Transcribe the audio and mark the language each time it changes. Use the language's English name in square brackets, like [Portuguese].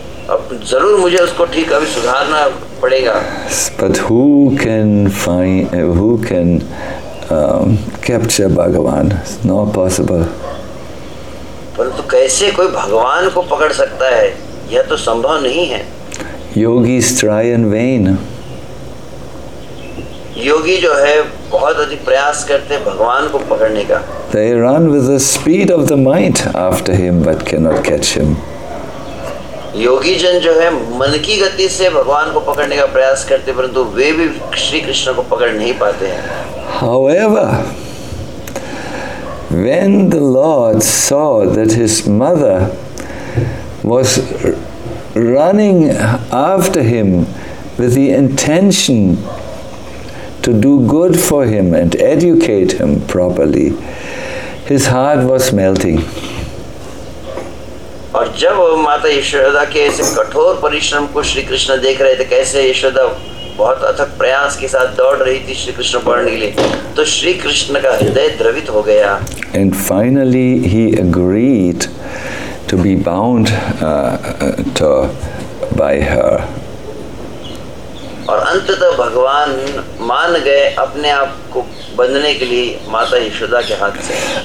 [Hindi] अब जरूर मुझे उसको ठीक अभी सुधारना पड़ेगा। [English] But who can find, who can capture Bhagavan? It's not possible. [Hindi] परंतु कैसे कोई भगवान को पकड़ सकता है? यह तो संभव नहीं है। [English] Yogis try in vain. [Hindi] योगी जो है बहुत अधिक प्रयास करते हैं भगवान को पकड़ने का। [English] They run with the speed of the mind after him, but cannot catch him. [Hindi] योगी जन जो है मन की गति से भगवान को पकड़ने का प्रयास करते हैं, परंतु वे भी श्री कृष्ण को पकड़ नहीं पाते हैं। [English] However, when the Lord saw that his mother was running after him with the intention to do good for him and educate him properly, his heart was melting. [Hindi] और जब माता यशोदा के ऐसे कठोर परिश्रम को श्री कृष्ण देख रहे थे, कैसे यशोदा बहुत अथक प्रयास के साथ दौड़ रही थी श्री कृष्ण पकड़ने के लिए, तो श्री कृष्ण का हृदय द्रवित हो गया। [English] And finally he agreed to be bound to by her. [Hindi] और अंततः भगवान मान गए अपने आप को बंधने के लिए माता यशोदा के हाथ से।